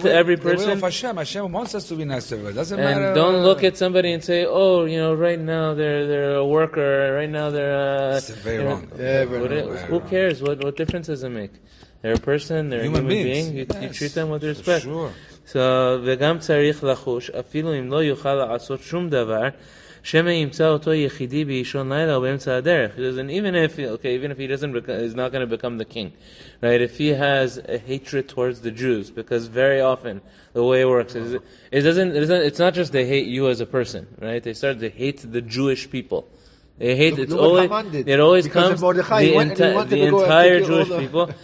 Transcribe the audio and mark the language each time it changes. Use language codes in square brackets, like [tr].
[en] the way, to every person. The way of Hashem. Hashem wants us to be nice to everybody. Doesn't matter. And don't look at somebody and say, oh, you know, right now they're a worker. Right now they're. Who cares? What difference does it make? They're a person, they're human a human being. You treat them with respect. Sure. [he] So, וגם צריך לחוש, אפילו אם לא יוכל לעשות שום דבר, שמה ימצא אותו יחידי באישון לילה או באמצע הדרך. [en] Even if he is not going to become the king, right? If he has a hatred towards the Jews, because very often the way it works it's not just they hate you as a person, right? They start to hate the Jewish people. They hate. It always comes to the entire Jewish people.